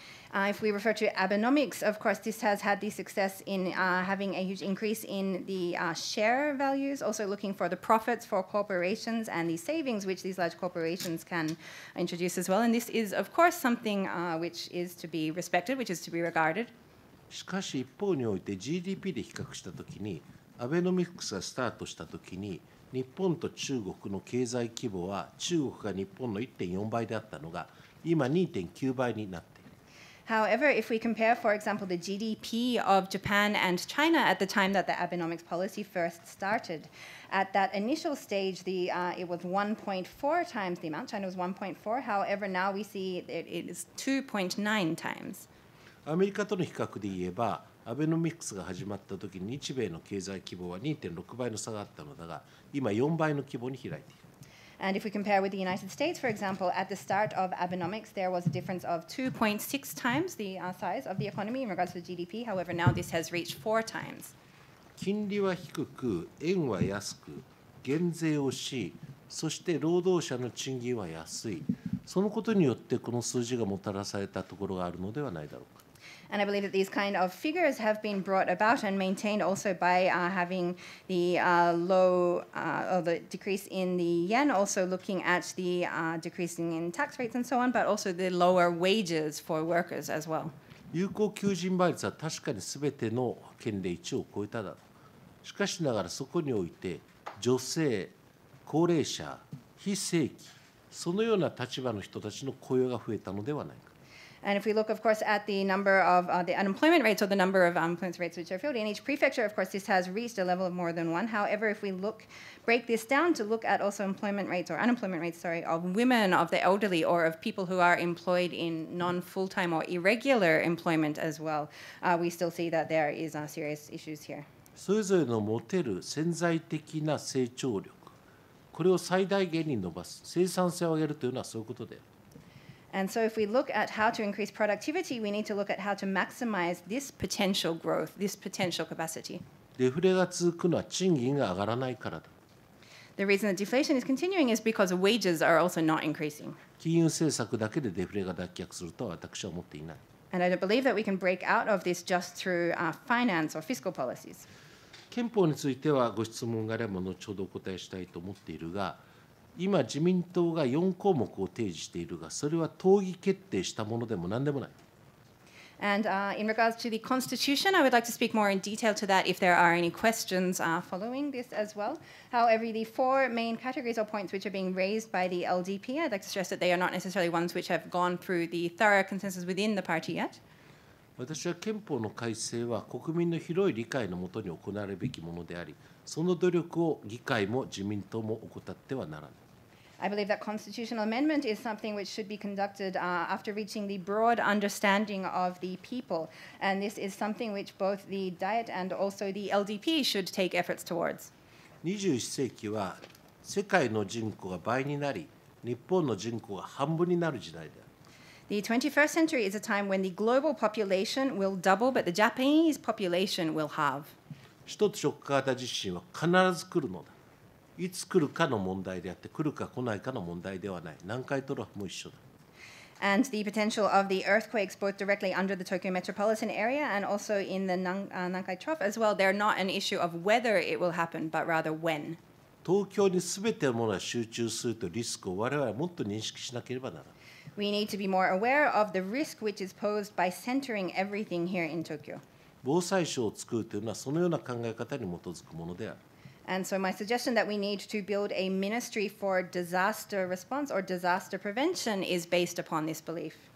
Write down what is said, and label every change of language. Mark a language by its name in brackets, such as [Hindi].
[English] If we refer to Abenomics, of course, this has had the success in having a huge increase in the share values, also looking for the profits for corporations and the savings which these large corporations can introduce as well. And this is, of course, something which is to be respected, which is to be regarded. [Japanese] しかし一方において GDP で比較したときに、Abenomics がスタートしたときに、日本と中国の経済規模は中国が日本の 1.4 倍であったのが今 2.9 倍になっている。 [English] However, if we compare, for example, the GDP of Japan and China at the time that the Abenomics policy first started, at that initial stage, it was 1.4 times the amount. China was 1.4. However, now we see it is 2.9 times. [Japanese] アメリカとの比較で言えば、アベノミクスが始まったときに日米の経済規模は 2.6 倍の差があったのだが、今4倍の規模に開いている。 [English] And if we compare with the United States, for example, at the start of Abenomics, there was a difference of 2.6 times the size of the economy in regards to the GDP. However, now this has reached 4 times. [Japanese] 金利は低く、円は安く、減税をし、そして労働者の賃金は安い。そのことによってこの数字がもたらされたところがあるのではないだろうか。 [English] And I believe that these kind of figures have been brought about and maintained also by having the low or the decrease in the yen, also looking at the decreasing in tax rates and so on, but also the lower wages for workers as well. [Japanese] 有効求人倍率は確かに全ての県で1を超えただろう。しかしながらそこにおいて女性、高齢者、非正規、そのような立場の人たちの雇用が増えたのではないか。 [English] And if we look, of course, at the number of the unemployment rates or the number of unemployment rates which are filled in each prefecture, of course, this has reached a level of more than one. However, if we look, break this down to look at also employment rates or unemployment rates, sorry, of women, of the elderly, or of people who are employed in non-full-time or irregular employment as well, we still see that there is serious issues here. [Japanese] それぞれの持てる潜在的な成長力、これを最大限に伸ばす、生産性を上げるというのはそういうことである。 [English] And so if we look at how to increase productivity, we need to look at how to maximize this potential growth, this potential capacity. [Japanese] デフレが続くのは賃金が上がらないからだ。 [English] The reason that deflation is continuing is because wages are also not increasing. [Japanese] 金融政策だけでデフレが脱却するとは私は思っていない。 [English] And I don't believe that we can break out of this just through finance or fiscal policies. [Japanese] 憲法についてはご質問があれば後ほどお答えしたいと思っているが、今自民党が4項目を提示しているが、それは党議決定したものでも何でもない。 [English] And in regards to the Constitution, I would like to speak more in detail to that if there are any questions following this as well. However, the four main categories or points which are being raised by the LDP, I'd like to stress that they are not necessarily ones which have gone through the thorough consensus within the party yet. [Japanese] 私は憲法の改正は国民の広い理解のもとに行われるべきものであり、その努力を議会も自民党も怠ってはならない。 [English] I believe that constitutional amendment is something which should be conducted after reaching the broad understanding of the people. And this is something which both the Diet and also the LDP should take efforts towards. [Japanese] 21世紀は世界の人口が倍になり、日本の人口が半分になる時代である。 [English] The 21st century is a time when the global population will double, but the Japanese population will halve. [Japanese] 一つ直下型地震は必ず来るのだ。いつ来るかの問題であって、来るか来ないかの問題ではない。南海トラフも一緒だ。 [English] And the potential of the earthquakes both directly under the Tokyo metropolitan area and also in the Nankai Trough as well, they're not an issue of whether it will happen, but rather when. [Japanese] 東京に全てのものが集中するとリスクを我々はもっと認識しなければならない。 [English] We need to be more aware of the risk which is posed by centering everything here in Tokyo. [Japanese] 防災省を作るというのはそのような考え方に基づくものである。 [English] And so my suggestion that we need to build a ministry for disaster response or disaster prevention is based upon this belief.